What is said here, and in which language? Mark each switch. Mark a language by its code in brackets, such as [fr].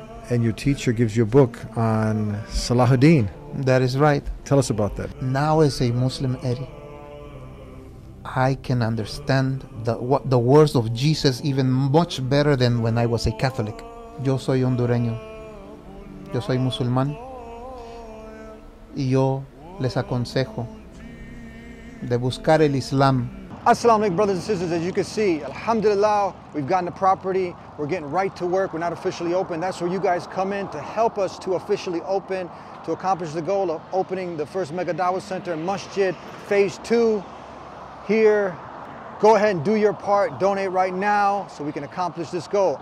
[en] And your teacher gives you a book on Salahuddin. That is right. Tell us about that. Now as a Muslim, Eddie, I can understand the words of Jesus even much better than when I was a Catholic. [es] Yo soy hondureño. Yo soy musulmán. Y yo les aconsejo de buscar el Islam. [ar] Assalamu alaikum, [en] brothers and sisters. As you can see, alhamdulillah, we've gotten the property. We're getting right to work. We're not officially open. That's where you guys come in to help us to officially open, to accomplish the goal of opening the first mega dawah center, masjid, phase two. Here, go ahead and do your part. Donate right now so we can accomplish this goal.